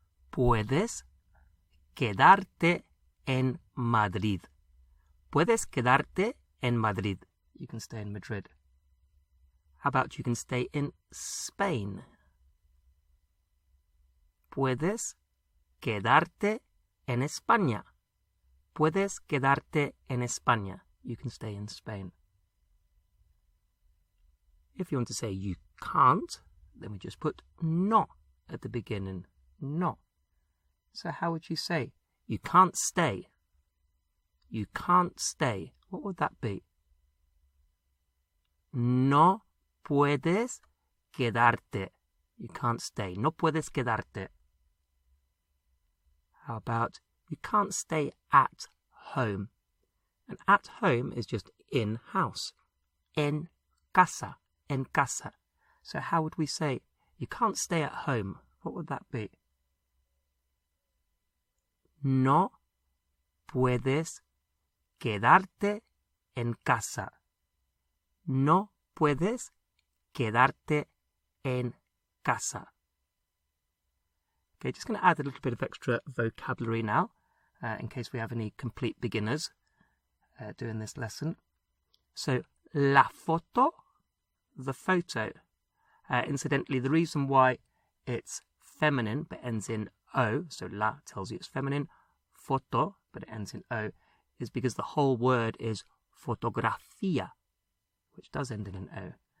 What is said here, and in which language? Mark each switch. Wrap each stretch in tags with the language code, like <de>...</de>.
<es>Puedes quedarte en Madrid. Puedes quedarte en Madrid.</es> <en>You can stay in Madrid. How about you can stay in Spain?</en> <es>Puedes quedarte en España. Puedes quedarte en España.</es> <en>You can stay in Spain. If you want to say you can't, then we just put no at the beginning. No. So how would you say you can't stay? You can't stay. What would that be?</en> <es>No puedes quedarte.</es> <en>You can't stay.</en> <es>No puedes quedarte.</es> <en>How about you can't stay at home? And at home is just in house.</en> <es>En casa. En casa.</es> <en>So how would we say you can't stay at home? What would that be?</en> <es>No puedes quedarte en casa. No puedes quedarte en casa.</es> <en>Okay, just going to add a little bit of extra vocabulary now, in case we have any complete beginners doing this lesson. So, la foto, the photo. Incidentally, the reason why it's feminine but ends in O, so la tells you it's feminine, foto, but it ends in O, is because the whole word is fotografía, which does end in an O.</en>